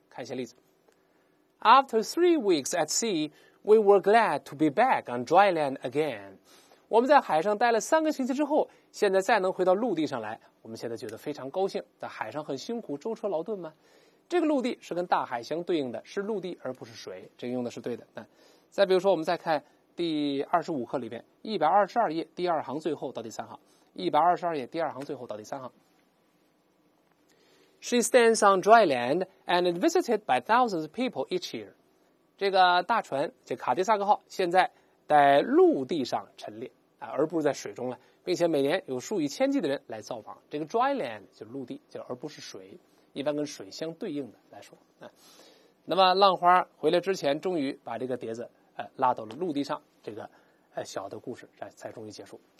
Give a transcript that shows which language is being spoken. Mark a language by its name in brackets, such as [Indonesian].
[Chinese] 看一些例子 [English] After 3 weeks at sea we were glad to be back on dry land again， [Chinese] 我们在海上待了3个星期之后，现在再能回到陆地上来，我们现在觉得非常高兴。在海上很辛苦，舟车劳顿吗？这个陆地是跟大海相对应的，是陆地而不是水，这个用的是对的。再比如说我们再看第25课里边122页第二行最后到第三行，122页第二行最后到第三行。 [English] She stands on dry land and is visited by thousands of people each year. [Chinese] 这个大船这卡迪萨克号现在在陆地上陈列，而不是在水中了，并且每年有数以千计的人来造访。这个 dry land 就是陆地，就而不是水，一般跟水相对应的来说，那么浪花回来之前终于把这个碟子拉到了陆地上，这个小的故事才终于结束。